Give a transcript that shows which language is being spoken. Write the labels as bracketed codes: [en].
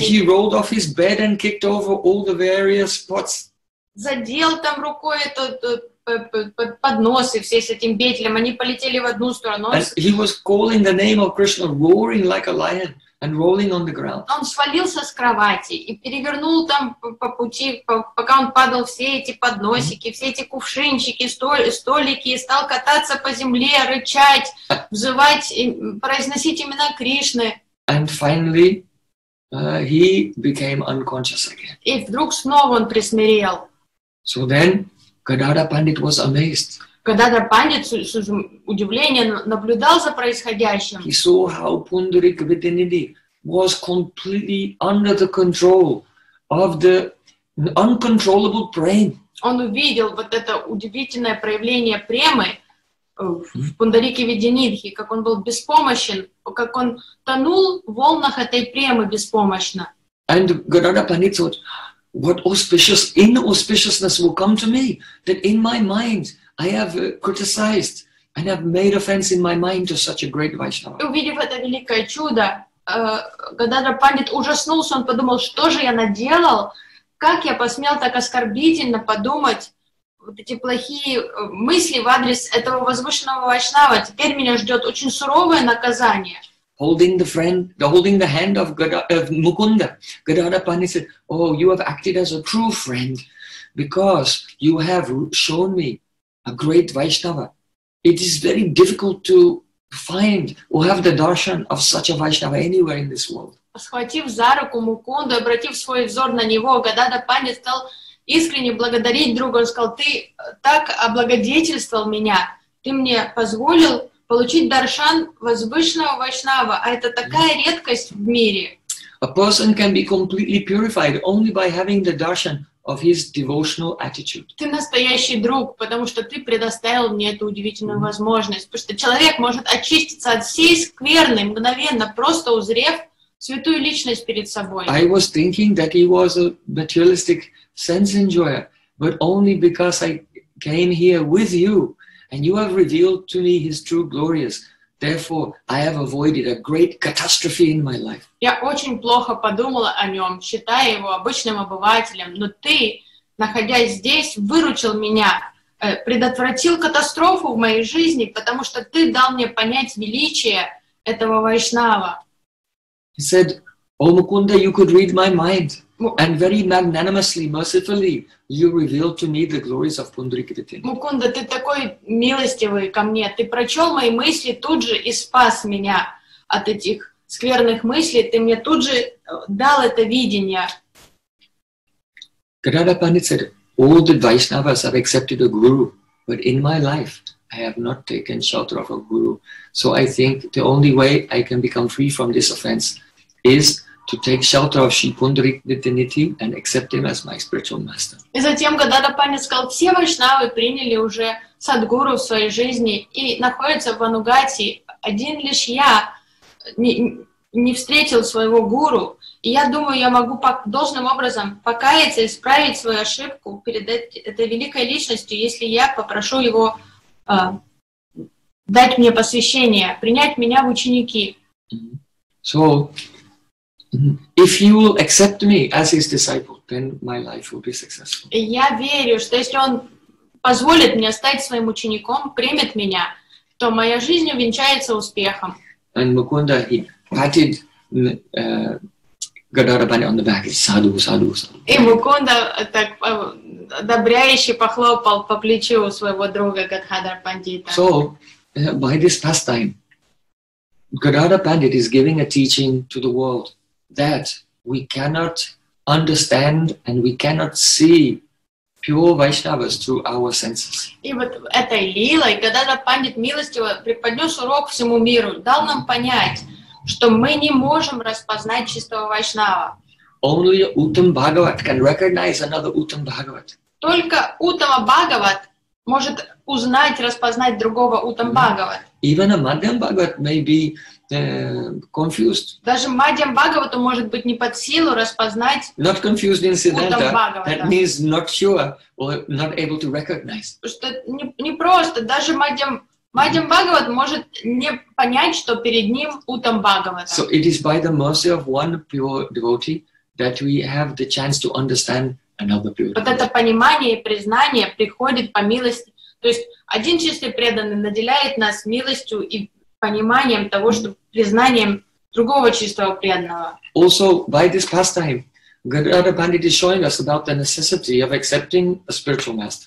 [en] He rolled off his bed and kicked over all the various pots. [ru] Задел там рукой этот поднос и все с этим бетлем, они полетели в одну сторону. [en] And he was calling the name of Krishna, roaring like a lion and rolling on the ground. [ru] Он свалился с кровати и перевернул там по пути, пока он падал, все эти подносики, mm-hmm. все эти кувшинчики, столики, и стал кататься по земле, рычать, взывать, произносить имена Кришны. [en] And finally, he became unconscious again. [ru] И вдруг снова он присмирел. [en] So then, Gadadhara Pandit was amazed. [ru] Gadadhara Pandit с удивлением наблюдал за происходящим. [en] He saw how Pundarik Vidyanidhi was completely under the control of the uncontrollable Prem. [ru] Он увидел вот это удивительное проявление премы в Пундарике Видянидхи, как он был беспомощен, как он тонул в волнах этой премы беспомощно. [en] And Gadadhara Pandit thought, what auspicious inauspiciousness will come to me that in my mind I have criticized and have made offense in my mind to such a great Vaishnava. [ru] Увидев это великое чудо, Гададра Пандит ужаснулся, он подумал, что же я наделал, как я посмел так оскорбительно подумать вот эти плохие мысли в адрес этого возвышенного Вайшнава, теперь меня ждет очень суровое наказание. [en] Holding the hand of Mukunda, Gadadhara Pandit said, oh, you have acted as a true friend because you have shown me a great Vaishnava. It is very difficult to find or have the darshan of such a Vaishnava anywhere in this world. [ru] Схватив за руку Мукунду, обратив свой взор на него, Gadadhara Pandit стал искренне благодарить друга. Он сказал, ты так облагодетельствовал меня, ты мне позволил получить даршан возвышенного вайшнава, а это такая редкость в мире. [en] A person can be completely purified only by having the darshan of his devotional attitude. [ru] Ты настоящий друг, потому что ты предоставил мне эту удивительную возможность. Потому что человек может очиститься от всей скверны мгновенно, просто узрев святую личность перед собой. [en] I was thinking that he was a materialistic sense enjoyer, but only because I came here with you, and you have revealed to me his true glories. Therefore, I have avoided a great catastrophe in my life. [ru] Я очень плохо подумала о нем, считая его обычным обывателем. Но ты, находясь здесь, выручил меня, предотвратил катастрофу в моей жизни, потому что ты дал мне понять величие этого вайшнава. [en] He said, "O Mukunda, you could read my mind." And very magnanimously, mercifully, you revealed to me the glories of Pundarik Vidyanidhi. [ru] Mukunda, ты такой милостивый ко мне. Ты прочел мои мысли тут же и спас меня от этих скверных мыслей. Ты мне тут же дал это видение. [en] Gadadhara Pandit said, all the Vaishnavas have accepted a guru, but in my life I have not taken shelter of a guru. So I think the only way I can become free from this offense is to take shelter of Shri Pundarik Divinity and accept him as my spiritual master. [ru] И затем Гададхара Пандит сказал: все вайшнавы приняли уже садгуру в своей жизни и находятся в Анугати. Один лишь я не встретил своего гуру, и я думаю, я могу должным образом покаяться и исправить свою ошибку перед этой великой личностью, если я попрошу его дать мне посвящение, принять меня в ученики. [en] So, if you will accept me as his disciple, then my life will be successful. [ru] Я верю, что если он позволит мне стать своим учеником, примет меня, то моя жизнь увенчается успехом. [en] And Mukunda, he patted Gadadhara Pandit on the back. [sa] Sadhu, sadhu, sadhu. [ru] И Мукунда так одобряюще похлопал по плечу своего друга Гадхадра Пандита. [en] So, by this pastime, Gadadhara Pandit is giving a teaching to the world that we cannot understand and we cannot see pure Vaishnavas through our senses. [ru] И вот этой лилой Гададхара Пандит милостиво преподнес урок всему миру, дал нам понять, что мы не можем распознать чистого Вайшнава. [en] Only Uttam Bhagavat can recognize another Uttam Bhagavat. [ru] Только Uttama Bhagavat может узнать, распознать другого Uttam Bhagavat. [en] Even a Madhyam Bhagavat may be confused. [ru] Даже Мадхьям Бхагавату может быть не под силу распознать. [en] Not confused incidental. That means not sure or not able to recognize. [ru] Что не просто, даже Мадхьям Бхагават может не понять, что перед ним Уттам Бхагавата. [en] So it is by the mercy of one pure devotee that we have the chance to understand another pure devotee. [ru] Вот это понимание и признание приходит по милости. То есть один чистый преданный наделяет нас милостью и пониманием того, что признанием другого чистого преданного. [en] Also, by this pastime, Gadadhara Pandit is showing us about the necessity of accepting a spiritual master.